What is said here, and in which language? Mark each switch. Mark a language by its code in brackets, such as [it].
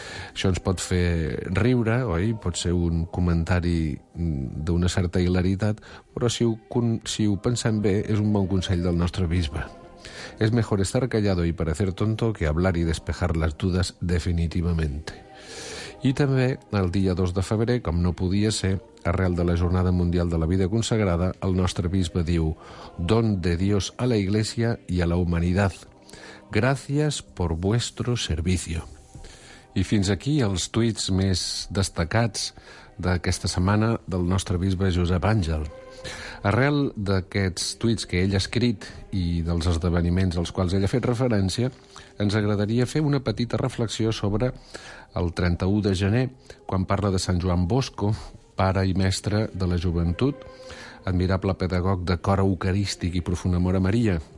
[ca] Això ens pot fer riure, oi? Pot ser un comentari d'una certa hilaritat, però si ho pensem bé, és un bon consell del nostre bisbe. [es] Es mejor estar callado y parecer tonto que hablar y despejar las dudas definitivamente. [ca] I també el dia 2 de febrer, com no podia ser, arrel de la Jornada Mundial de la Vida Consagrada, el nostre bisbe diu: [es] «Don de Dios a la Iglesia y a la humanidad. Gracias por vuestro servicio». [ca] I fins aquí els tuits més destacats d'aquesta setmana del nostre bisbe Josep Àngel. Arrel d'aquests tuits que ell ha escrit i dels esdeveniments als quals ell ha fet referència, ens agradaria fer una petita reflexió sobre el 31 de gener, quan parla de Sant Joan Bosco, pare i mestre de la joventut, admirable pedagog de cor eucarístic i profund amor a Maria.